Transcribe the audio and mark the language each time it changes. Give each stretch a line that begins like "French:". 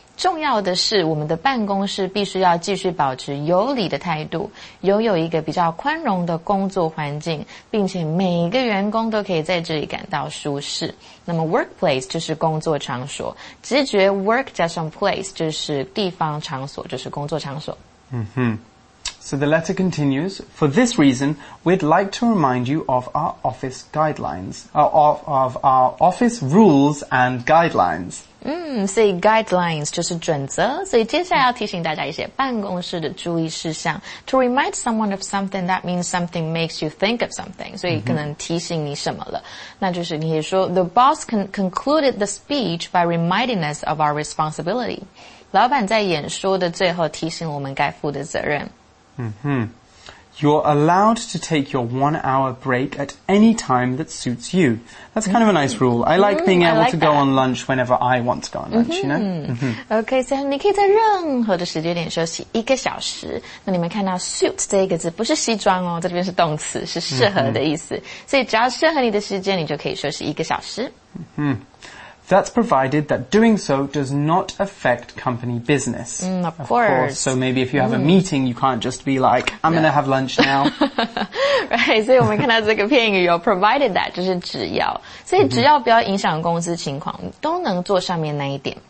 Chinese: 重要的是我们的办公室必须要继续保持有礼的态度，拥有一个比较宽容的工作环境，并且每一个员工都可以在这里感到舒适。那么 workplace 就是工作场所，直觉 work 加上 place 就是地方场所，就是工作场所。 Mm-hmm.
English: So the letter continues, for this reason, we'd like to remind you of our office guidelines, of our office rules and guidelines.
Chinese: 所以 guidelines 就是准则，所以接下来要提醒大家一些办公室的注意事项。
English: To remind someone of something, that means something makes you think of something, 所以可能提醒你什么了。那就是你也说 the boss concluded the speech by reminding us of our responsibility.
Chinese: 老板在演说的最后提醒我们该负的责任。 Mm-hmm.
English: You're allowed to take your 1 hour break at any time that suits you. That's kind of a nice rule. I like being able like to go on lunch whenever I want to go on lunch, you know?
Chinese: Mm-hmm. Okay, so 你可以在任何的时间点休息一个小时。那你们看到 suit 这个字不是西装哦，在这边是动词，是适合的意思。 Mm-hmm. 所以只要适合你的时间，你就可以休息一个小时。 Mm-hmm.
English: That's provided that doing so does not affect company business. Of course. So maybe if you have a meeting, you can't just be like, I'm going to have lunch now.
Chinese: Right, 所以我们看到这个片语有 provided that, 就是只要。所以只要不要影响公司情况、mm-hmm. 都能做上面那一点。